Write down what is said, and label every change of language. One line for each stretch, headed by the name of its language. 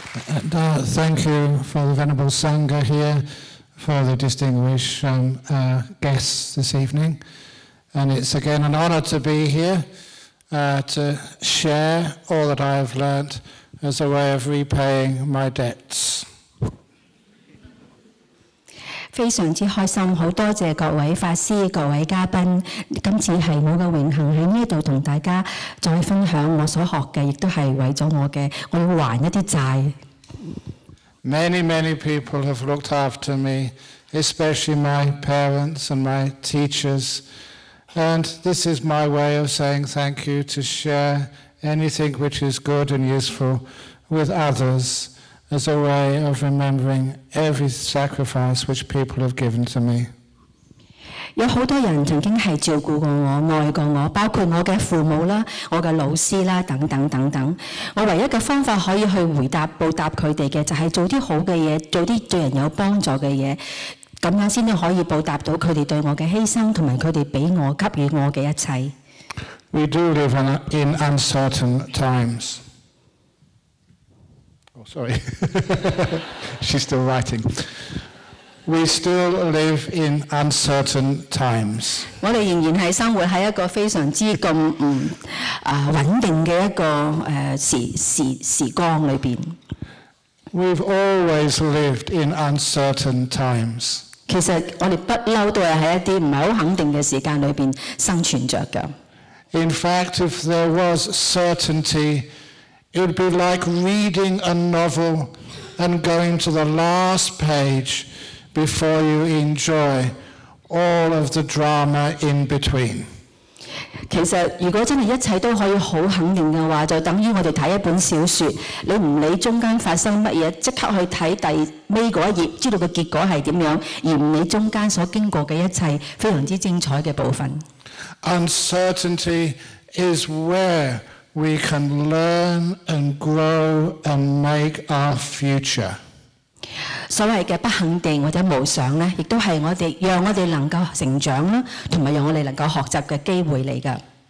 English: And, thank you for the Venerable Sangha here, for the distinguished guests this evening. And it's again an honor to be here to share all that I have learnt as a way of repaying my debts.
Cantonese: 非常之開心，好多謝各位法師、各位嘉賓。今次係我嘅榮幸喺呢度同大家再分享我所學嘅，亦都係為咗我嘅，我要還一啲債。
English: Many, many people have looked after me, especially my parents and my teachers, and this is my way of saying thank you to share anything which is good and useful with others. As a way of remembering every sacrifice which people have given to me.
Cantonese: 有好多人曾經係照顧過我、愛過我，包括我嘅父母啦、我嘅老師啦等等等等。我唯一嘅方法可以去回答、報答佢哋嘅，就係做啲好嘅嘢，做啲對人有幫助嘅嘢，咁樣先可以報答到佢哋對我嘅犧牲同埋佢哋俾我、給予我嘅一切。
English: We do live in uncertain times. Sorry, she's still writing. We still live in uncertain times.
Cantonese: 我哋仍然係生活喺一個非常之咁穩定嘅一個時光裏邊。
English: We've always lived in uncertain times.
Cantonese: 其實我哋不嬲都係喺一啲唔係好肯定嘅時間裏邊生存著嘅。
English: In fact, if there was certainty. It would be like reading a novel and going to the last page before you enjoy all of the drama in between.
Cantonese: 其實如果真係一切都可以好肯定嘅話，就等於我哋睇一本小説，你唔理中間發生乜嘢，即刻去睇第尾嗰一頁，知道個結果係點樣，而唔理中間所經過嘅一切非常之精彩嘅部分。
English: Uncertainty is where. We can learn and grow and make our future.
Cantonese: 所謂的不肯定或者無常呢，亦都是我哋讓我哋能夠成長啦，同埋讓我哋能夠學習嘅機會嚟噶。